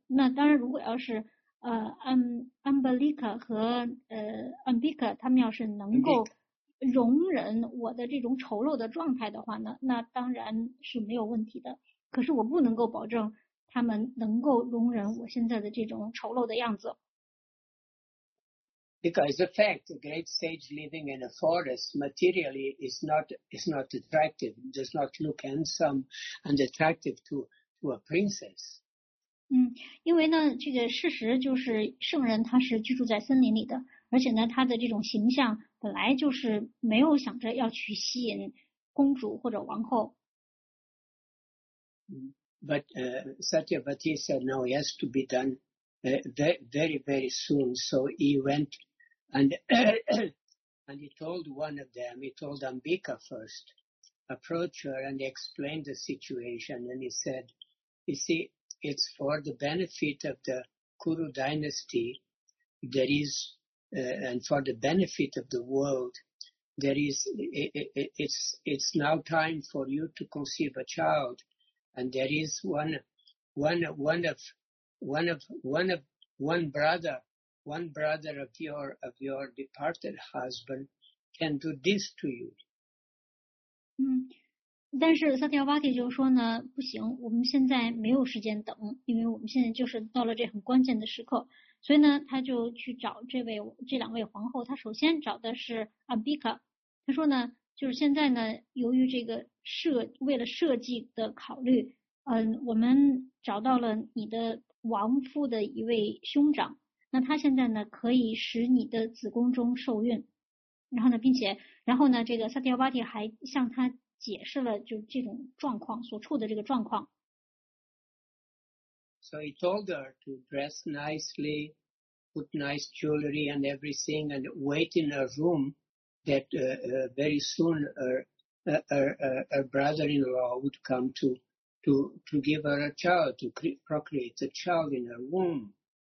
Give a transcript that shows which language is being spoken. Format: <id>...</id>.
<zh>那当然，如果要是Ambalika 和Ambika 他们要是能够容忍我的这种丑陋的状态的话呢，那当然是没有问题的，可是我不能够保证他们能够容忍我现在的这种丑陋的样子。</zh> <en>Because in fact, a great sage living in a forest materially is not attractive, does not look handsome and attractive to a princess.</en> <zh>因为呢，这个事实就是圣人他是居住在森林里的，而且呢，他的这种形象本来就是没有想着要去吸引公主或者王后。</zh> <en>But Satyavati said no, it has to be done very, very soon. So he went. And he told one of them, he told Ambika first, approach her and explain the situation. And he said, you see, it's for the benefit of the Kuru dynasty, there is, and for the benefit of the world, there is, it's now time for you to conceive a child. And there is one brother of your departed husband can do this to you.</en> <zh>但是 Satyavati 就说呢，不行，我们现在没有时间等，因为我们现在就是到了这很关键的时刻，所以呢，他就去找这两位皇后。他首先找的是 Ambika， 他说呢，就是现在呢，由于这个为了设计的考虑，我们找到了你的亡夫的一位兄长。那他现在呢可以使你的子宫中受孕，然后呢这个 Satyavati 还向他解释了就这种状况所处的这个状况。</zh> <en>So he told her to dress nicely, put nice jewelry and everything, and wait in her room that very soon her brother-in-law would come to give her a child, to procreate the child in her womb.</en>